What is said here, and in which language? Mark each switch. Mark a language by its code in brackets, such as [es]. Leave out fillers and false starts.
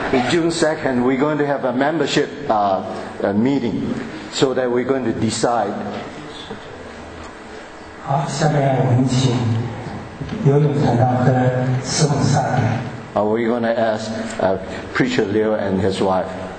[en] June 2nd, we're going to have a membership a meeting so that we're going to decide. [zh] 好，下面我们请刘勇传道和司母萨迪。 [en] We're going to ask Preacher Liu and his wife.